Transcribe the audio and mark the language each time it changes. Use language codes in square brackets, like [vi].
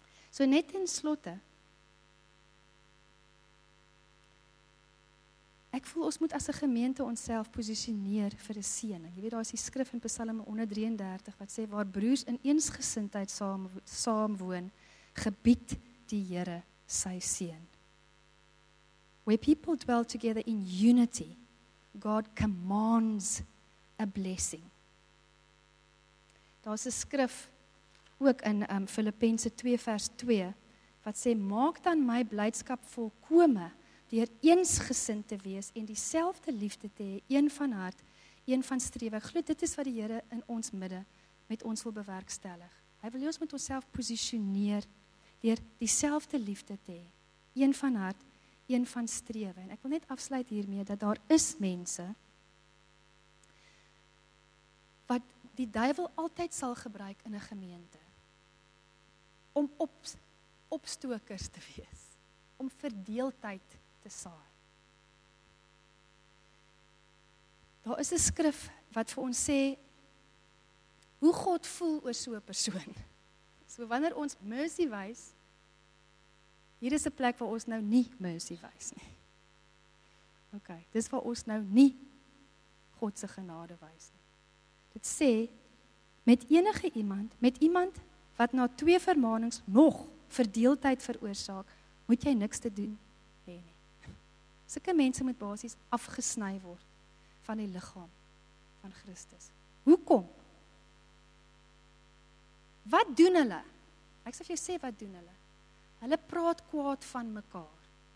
[af] So net ten slotte, ek voel ons moet as 'n gemeente onsself positioneer vir 'n seëning. Jy weet, daar is die skrif in Psalm 133 wat sê, waar broers in eensgesindheid saam woon, gebied die Here sy seën. [en] Where people dwell together in unity, God commands a blessing. [af] Daar is 'n skrif ook in Filippense 2 vers 2 wat sê, maak dan my blydskap volkome deur eensgesind te wees en dieselfde liefde te hê, een van hart, een van strewe. Glo dit is wat die Here in ons midde met ons wil bewerkstellig. Hy wil ons met onsself positioneer deur dieselfde liefde te hê, een van hart, een van strewe. En ek wil net afsluit hiermee dat daar is mense wat die duivel altyd sal gebruik in 'n gemeente om opstokers te wees, om verdeeldheid te saai. Daar is 'n skrif wat vir ons sê hoe God voel oor so 'n persoon. So wanneer ons mercy wys, hier is 'n plek waar ons nou nie mercy wys nie. OK, dis waar ons nou nie God se genade wys nie. Dit sê met enige iemand, met iemand wat na twee vermanings nog verdeeldheid veroorsaak, moet jy niks te doen hê nie. Sulke mense moet basies afgesny word van die liggaam van Christus. Hoekom? Wat doen hulle? Ek sal vir jou sê wat doen hulle. Hulle praat kwaad van mekaar.